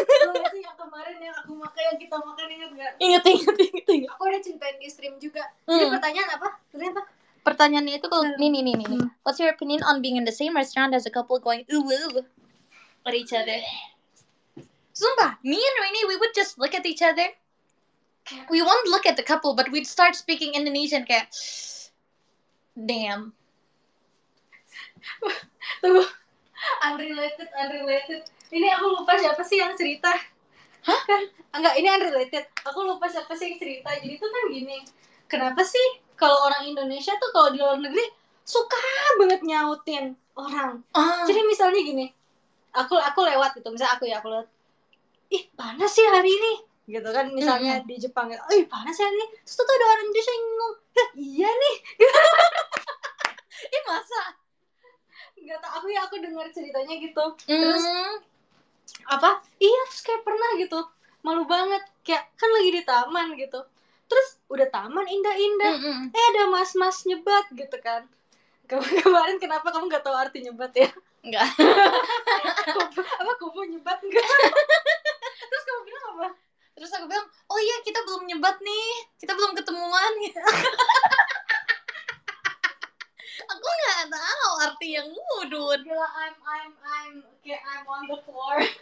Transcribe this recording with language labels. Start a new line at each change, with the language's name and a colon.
Indonesian: Lo itu yang kemarin yang aku makan, yang kita makan, inget gak? Inget. Aku udah ceritain di stream juga. Jadi pertanyaan apa? Pertanyaannya itu kalau nih.
English: What's your opinion on being in the same restaurant as a couple going ooh at each other?
Indonesian: Sumpah,
English: me and Rini, we would just look at each other. We won't look at the couple, but we'd start speaking Indonesian
Indonesian: kayak, damn.
English: Unrelated.
Indonesian: Ini aku lupa siapa sih yang cerita. Hah? Enggak, ini unrelated. Aku lupa siapa sih yang cerita. Jadi tuh kan gini, kenapa sih kalau orang Indonesia tuh kalau di luar negeri suka banget nyautin orang. Jadi misalnya gini, aku lewat gitu, misalnya aku lewat, ih panas sih hari ini gitu kan, misalnya di Jepang gitu, ih panas sih hari ini, terus tuh ada orang Indonesia yang ngomong, iya nih gitu. Ih masa? Gak tau, aku denger ceritanya gitu. Terus apa? Iya, terus kayak pernah gitu, malu banget, kayak kan lagi di taman gitu. Terus udah taman indah-indah, ada mas-mas nyebat gitu kan. Kemarin kenapa kamu nggak tahu arti nyebat ya? Enggak. Apa kamu nyebat enggak? Terus kamu bilang apa? Terus aku bilang, oh iya kita belum nyebat nih, kita belum ketemuan. Aku nggak tahu arti yang ngudut.
English: Gila, I'm okay, I'm on the floor.